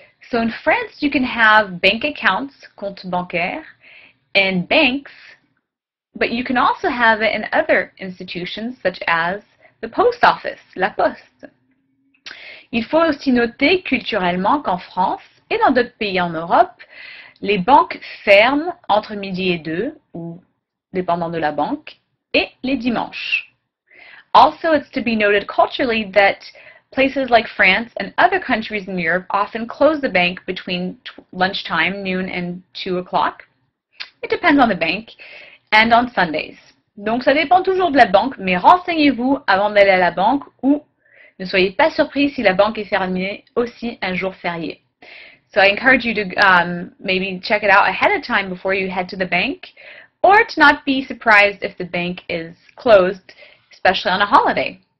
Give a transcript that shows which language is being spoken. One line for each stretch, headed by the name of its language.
English: So in France, you can have bank accounts, comptes bancaires, and banks, but you can also have it in other institutions such as the post office, la poste.
French: Il faut aussi noter culturellement qu'en France, Et dans d'autres pays en Europe, les banques ferment entre midi et deux, ou dépendant de la banque, et les dimanches.
English: Also, it's to be noted culturally that places like France and other countries in Europe often close the bank between lunchtime, noon, and 2 o'clock. It depends on the bank, and on Sundays.
French: Donc, ça dépend toujours de la banque, mais renseignez-vous avant d'aller à la banque ou ne soyez pas surpris si la banque est fermée aussi un jour férié.
English: So I encourage you to maybe check it out ahead of time before you head to the bank, or to not be surprised if the bank is closed, especially on a holiday.